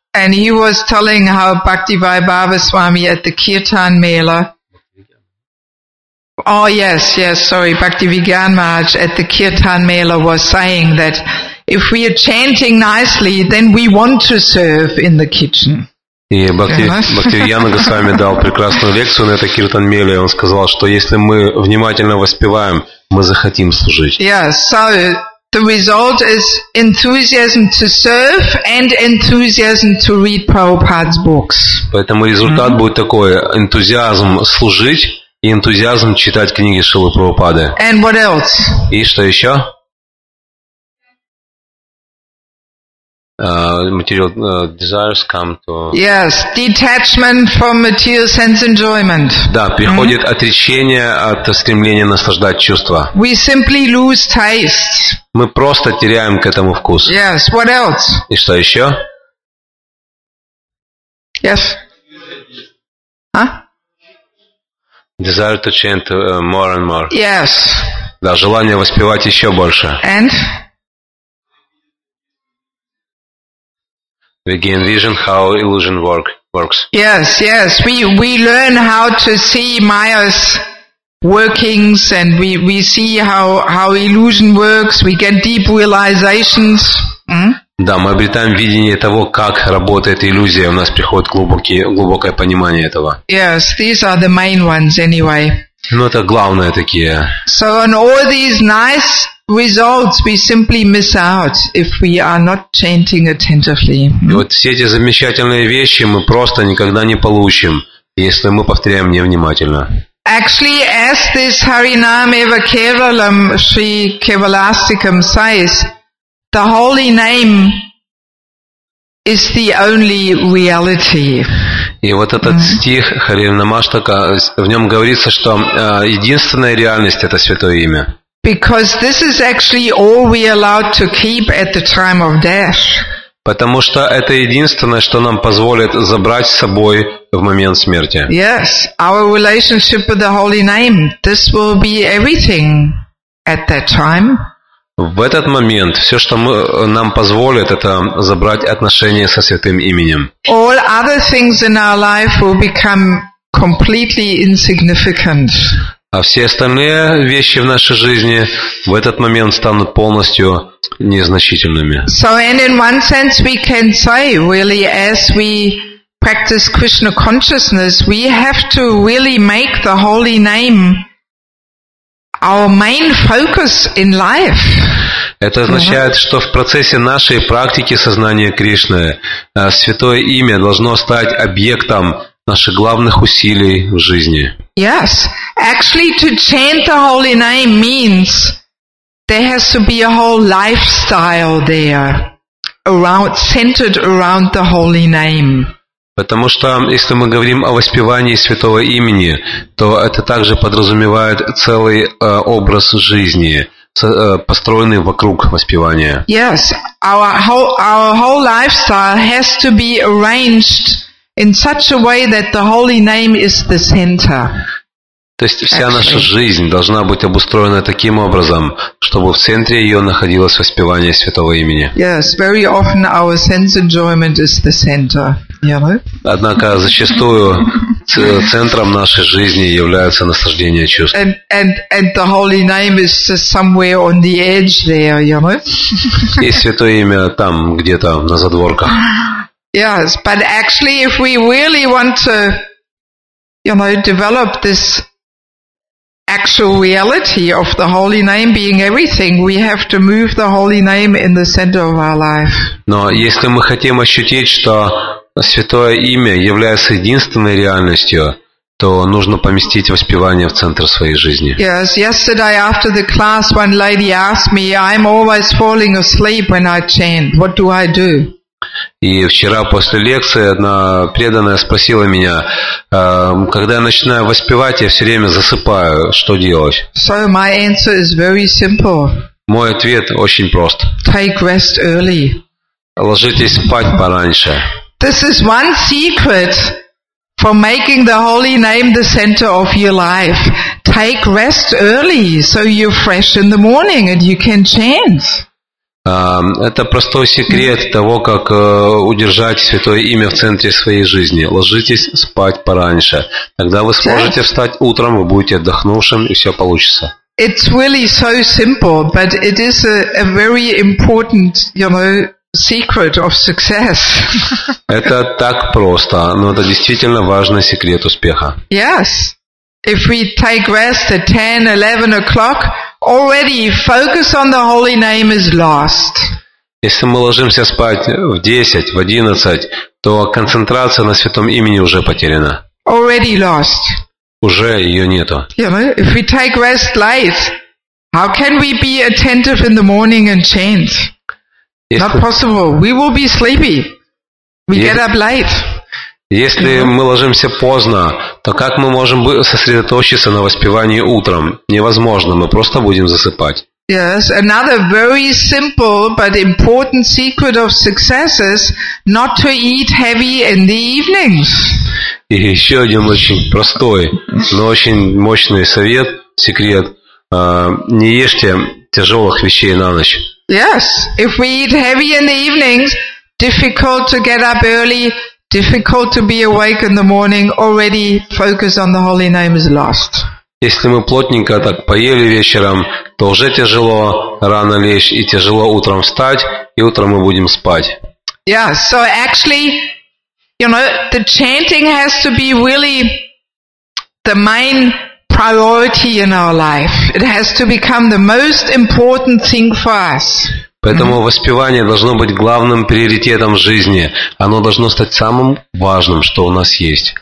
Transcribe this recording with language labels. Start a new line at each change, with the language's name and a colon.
English: And he was telling how Bhakti Vaibhava Swami at the kirtan mela. Oh yes, yes, sorry, Bhakti Vigyan Maharaj at the kirtan mela was saying that if we are chanting nicely, then we want to serve in the kitchen.
Russian: И Бхактивиньяна Госвами дал прекрасную лекцию на это киртан меле, и он сказал, что если мы внимательно воспеваем, мы захотим служить.
English: Yes, so the result is enthusiasm to serve and enthusiasm to read Prabhupada's books.
Russian: Поэтому результат mm-hmm. будет такой: энтузиазм служить и энтузиазм читать книги Шрилы Прабхупады.
English: And what else?
Russian: И что еще?
English: Material desires come to. Yes, detachment from material sense enjoyment.
Russian: Да, приходит mm-hmm. отречение от стремления наслаждать чувства.
English: We simply lose taste.
Russian: Мы просто теряем к этому вкус.
English: Yes, what else?
Russian: И что еще?
English: Yes. Huh? Desire to chant more and more. Yes.
Russian: Да, желание воспевать еще больше.
English: And? We can vision how illusion works. Yes, yes. We learn how to see Maya's workings, and we see how illusion works. We get deep realizations.
Russian: Да, мы обретаем видение того, как работает иллюзия. У нас приходит глубокое понимание этого.
English: Yes, these are the main ones anyway.
Russian: Ну, это главные такие.
English: So on all these nice results we simply miss out if we are not chanting attentively.
Russian: И вот все эти замечательные вещи мы просто никогда не получим, если мы повторяем невнимательно.
English: Actually, as this Harinam Eva Keralam Sri Kevalastikam says, the holy name is the only reality.
Russian: И вот этот mm-hmm. стих Хари Намаштака, в нем говорится, что единственная реальность — это святое имя.
English: Because this is actually all we are allowed to keep at the time of death.
Russian: Потому что это единственное, что нам позволит забрать с собой в момент смерти.
English: Yes, our relationship with the holy name, this will be everything at that time.
Russian: В этот момент все, что нам позволит, это забрать отношения со святым именем.
English: All other things in our life will become completely insignificant.
Russian: А все остальные вещи в нашей жизни в этот момент станут полностью незначительными.
English: So, and in one sense we can say, really, as we practice Krishna consciousness, we have to really make the holy name our main focus in life.
Russian: Это означает, что в процессе нашей практики сознания Кришны святое имя должно стать объектом наших главных усилий в жизни.
English: Yes, actually, to chant the holy name means there has to be a whole lifestyle there, around centered around the holy name.
Russian: Потому что если мы говорим о воспевании святого имени, то это также подразумевает целый образ жизни, построенный вокруг воспевания.
English: Yes, our whole lifestyle has to be arranged in such a way that the holy name is the center.
Russian: То есть вся наша жизнь должна быть обустроена таким образом, чтобы в центре ее находилось воспевание святого имени.
English: Yes, very often our sense enjoyment is the center.
Russian: Однако зачастую центром нашей жизни является наслаждение чувств.
English: And the holy name is somewhere on the edge there, you know?
Russian: И святое имя там, где-то на задворках.
English: Yes, but actually, if we really want to, you know, develop this actual reality of the holy name being everything, we have to move the holy name in the center of our life.
Russian: Но если мы хотим ощутить, что святое имя является единственной реальностью, то нужно поместить воспевание в центр своей жизни.
English: Yes, yesterday after the class, one lady asked me, I'm always falling asleep when I chant. What do I do?
Russian: И вчера после лекции одна преданная спросила меня, когда я начинаю воспевать, я все время засыпаю, что делать?
English: So my answer is very simple.
Russian: Мой ответ очень прост.
English: Take rest early.
Russian: Ложитесь спать пораньше.
English: This is one secret for making the holy name the center of your life. Take rest early, so you're fresh in the morning and you can chant.
Russian: Это простой секрет того, как удержать святое имя в центре своей жизни. Ложитесь спать пораньше. Тогда вы сможете встать утром, вы будете отдохнувшим, и все получится.
English: It's really so simple, but it is a very important, you know, secret of success.
Russian: Это так просто, но это действительно важный секрет успеха.
English: Yes. If we take rest at 10, 11 o'clock, already focus on the holy name is lost.
Russian: Если мы ложимся спать в 10, в 11, то концентрация на святом имени уже потеряна.
English: Already lost.
Russian: Уже ее нету.
English: Yeah, if we take rest late, how can we be attentive in the morning and chant? Not possible. We will be sleepy. We get up late.
Russian: Если мы ложимся поздно, то как мы можем сосредоточиться на воспевании утром? Невозможно, мы просто будем засыпать.
English: Yes, another very simple but important secret of success is not to eat heavy in the evenings.
Russian: И еще один очень простой, но очень мощный совет, секрет. Не ешьте тяжелых вещей на ночь.
English: Yes, if we eat heavy in the evenings, difficult to get up early. Difficult to be awake in the morning, already focus on the holy name is lost.
Russian: Если мы плотненько так поели вечером, то уже тяжело рано лечь и тяжело утром встать, и утром мы будем спать.
English: Yeah, so actually, you know, the chanting has to be really the main priority in our life. It has to become the most important thing for us.
Russian: Поэтому воспевание должно быть главным приоритетом жизни. Оно должно стать самым важным, что у нас есть.